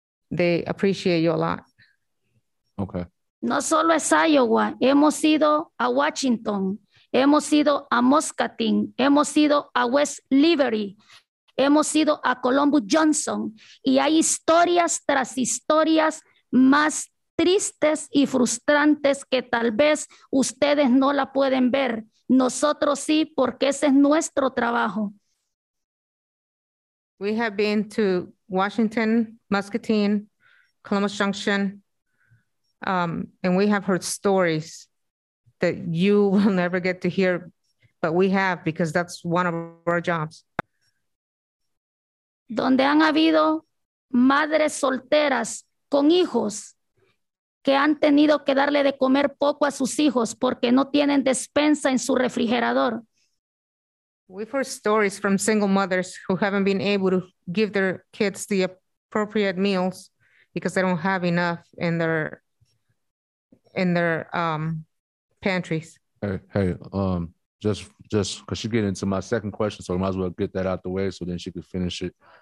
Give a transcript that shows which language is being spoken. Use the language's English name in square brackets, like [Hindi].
[English] they appreciate you a lot. Okay. [Spanish] No solo es Iowa, hemos ido a Washington, hemos ido a Muscatine, hemos ido a West Liberty, hemos ido a Columbus Johnson, y hay historias tras historias más tristes y frustrantes que tal vez ustedes no la pueden ver. Nosotros sí, porque ese es nuestro trabajo. [English] We have been to Washington, Muscatine, Columbus Junction, and we have heard stories that you will never get to hear, but we have because that's one of our jobs. [Spanish] Donde han habido madres solteras con hijos que han tenido que darle de comer poco a sus hijos porque no tienen despensa en su refrigerador. [English] We've heard stories from single mothers who haven't been able to give their kids the appropriate meals because they don't have enough in their pantries. Hey, just because she's getting into my second question, so I might as well get that out the way so then she could finish it.